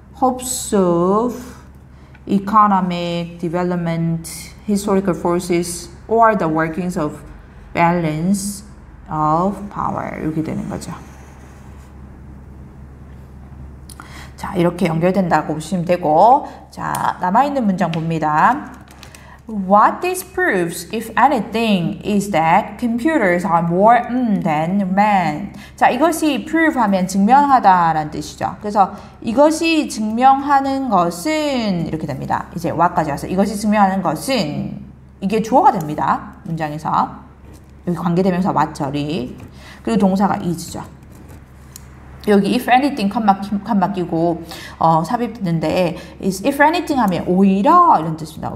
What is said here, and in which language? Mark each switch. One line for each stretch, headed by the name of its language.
English: Hopes of economic development, historical forces, or the workings of balance of power
Korean: 이렇게 되는 거죠. 자 이렇게 연결된다고 보시면 되고 자 남아있는 문장 봅니다.
English: What this proves, if anything, is that computers are more than men.
Korean: 자, 이것이 prove 하면 증명하다라는 뜻이죠. 그래서 이것이 증명하는 것은 이렇게 됩니다. 이제 what까지 와서 이것이 증명하는 것은 이게 주어가 됩니다. 문장에서 여기 관계되면서 what 처리 그리고 동사가 is죠. 여기 if anything 컴마 끼고 삽입되는데 is if anything 하면 오히려 이런 뜻입니다.